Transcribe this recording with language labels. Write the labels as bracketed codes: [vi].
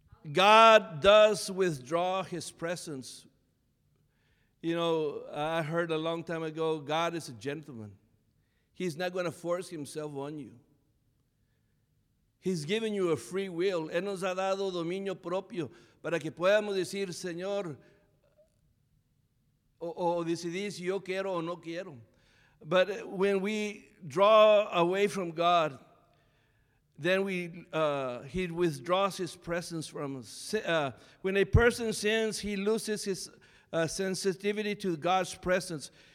[en] God does withdraw his presence. You know, I heard a long time ago, God is a gentleman. He's not going to force himself on you. He's given you a free will. [es] Él nos ha dado dominio propio para que podamos decir, Señor, o decidir si yo quiero o no quiero. [en] But when we draw away from God, then he withdraws his presence from us. When a person sins, he loses his sensitivity to God's presence.